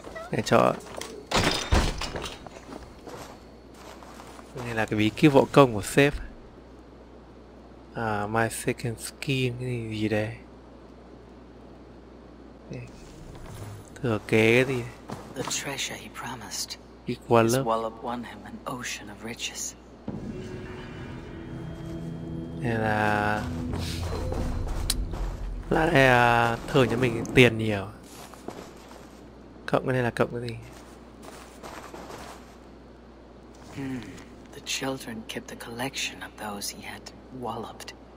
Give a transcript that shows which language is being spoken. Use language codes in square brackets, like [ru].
[vi] Để cho... Đây là cái bí kíp võ công của sếp. À, [en] my second skin, [vi] cái gì đây? Thừa kế cái gì? [en] The treasure he promised. Equal up. His wallop won him an ocean of riches. [vi] Đây là... Là đây là thưởng cho mình tiền nhiều. Cộng cái này là cộng cái gì? [en] The children kept a collection of those he had walloped.